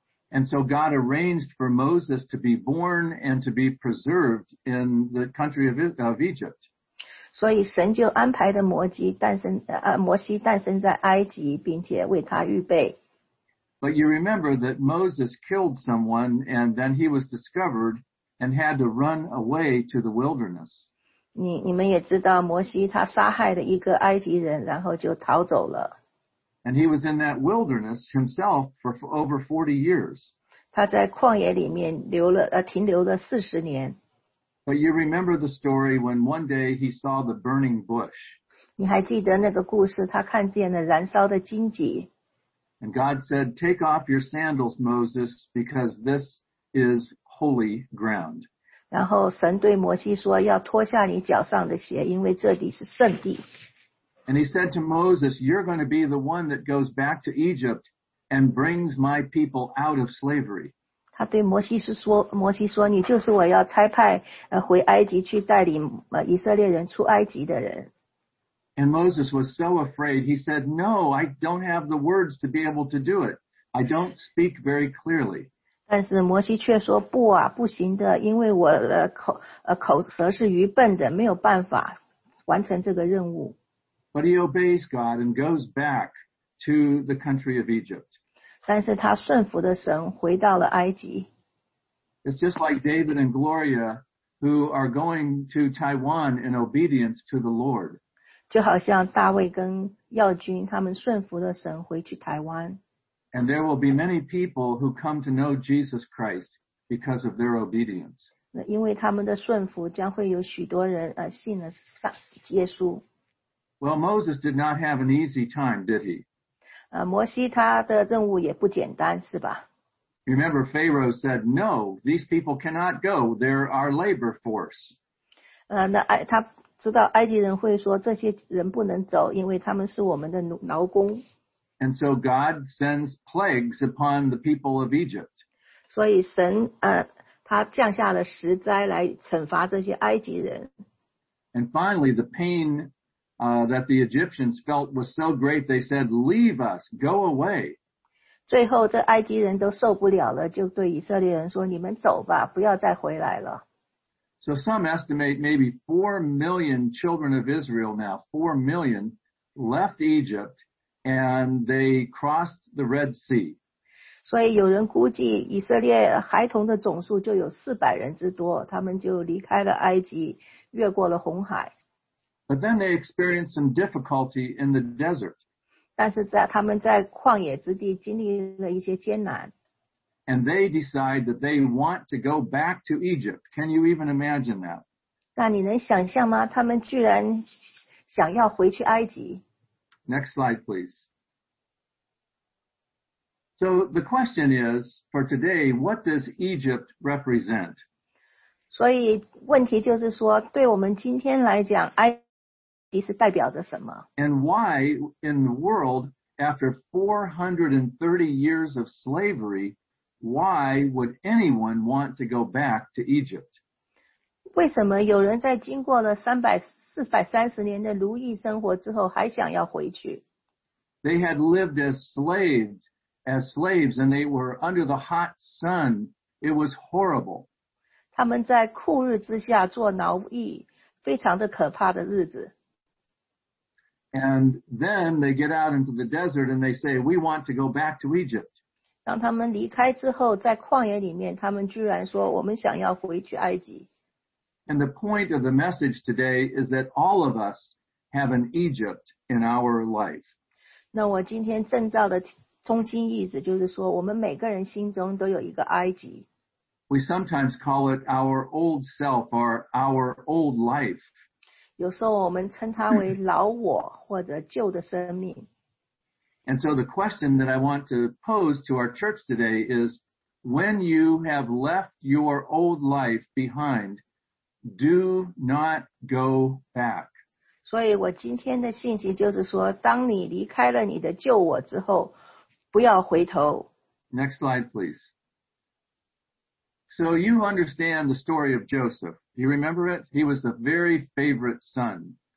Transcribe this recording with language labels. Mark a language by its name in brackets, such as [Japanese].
[English] And so God arranged for Moses to be born and to be preserved in the country of Egypt. [Chinese] 所以神就安排了摩西诞生在埃及，并且为他预备。 [English] But you remember that Moses killed someone and then he was discovered and had to run away to the wilderness. [Chinese] 你们也知道摩西他杀害了一个埃及人，然后就逃走了。 [English] And he was in that wilderness himself for over 40 years. [Chinese] 他在旷野里面停留了40年。 [English] But you remember the story when one day he saw the burning bush. [Chinese] 你还记得那个故事，他看见了燃烧的荆棘。 [English] And God said, take off your sandals, Moses, because this is holy ground. [Chinese] 然后神对摩西说，要脱下你脚上的鞋，因为这里是圣地。 [English] And he said to Moses, you're going to be the one that goes back to Egypt and brings my people out of slavery. [Chinese] 他对摩西说，你就是我要差派回埃及去带领以色列人出埃及的人。 [English] And Moses was so afraid, he said, no, I don't have the words to be able to do it. I don't speak very clearly. [Chinese] 但是摩西却说，不啊，不行的，因为我的口舌是愚笨的，没有办法完成这个任务。 [English] But he obeys God and goes back to the country of Egypt. [Chinese] 但是他顺服的神回到了埃及。 [English] It's just like David and Gloria who are going to Taiwan in obedience to the Lord. [Chinese] 就好像大卫跟耀军他们顺服的神回去台湾。 [English] And there will be many people who come to know Jesus Christ because of their obedience. [Chinese] 因为他们的顺服将会有许多人信了耶稣。 [English] Well, Moses did not have an easy time, did he? [Chinese] 摩西他的任务也不简单，是吧？ [English] Remember, Pharaoh said, no, these people cannot go. They're our labor force. [Chinese] 他知道埃及人会说，这些人不能走，因为他们是我们的劳工。 [English] And so God sends plagues upon the people of Egypt. [Chinese] 所以神他降下了十灾来惩罚这些埃及人。 [English] And finally, the painthat the Egyptians felt was so great, they said, leave us, go away. [Chinese] 最后这埃及人都受不了了，就对以色列人说，你们走吧，不要再回来了。 [English] So some estimate maybe 4 million children of Israel now, 4 million, left Egypt and they crossed the Red Sea. [Chinese] 所以有人估计以色列孩童的总数就有400人之多，他们就离开了埃及，越过了红海。 [English] But then they experienced some difficulty in the desert. [Chinese] 但是在他们在旷野之地经历了一些艰难。 [English] And they decide that they want to go back to Egypt. Can you even imagine that? [Chinese] 那你能想象吗？他们居然想要回去埃及。 [English] Next slide, please. So the question is, for today, what does Egypt represent? [Chinese] 所以问题就是说，对我们今天来讲，埃 [English] And why in the world, after 430 years of slavery, why would anyone want to go back to Egypt? [Chinese] 为什么有人在经过了430年的奴役生活之后还想要回去? [English] They had lived as slaves, and they were under the hot sun. It was horrible. [Chinese] 他们在酷日之下做奴役。非常的可怕的日子。 [English] And then they get out into the desert and they say, we want to go back to Egypt. [Chinese] 当他们离开之后，在旷野里面，他们居然说，我们想要回去埃及。 [English] And the point of the message today is that all of us have an Egypt in our life. [Chinese] 那我今天证照的中心意思就是说，我们每个人心中都有一个埃及。 [English] We sometimes call it our old self or our old life. [Chinese] 有时候我们称它为老我或者旧的生命。 [English] And so the question that I want to pose to our church today is, when you have left your old life behind, do not go back. [Chinese] 所以我今天的信息就是说，当你离开了你的旧我之后，不要回头。 [English] Next slide, please. So you understand the story of Joseph. You remember it? He was the very favorite son.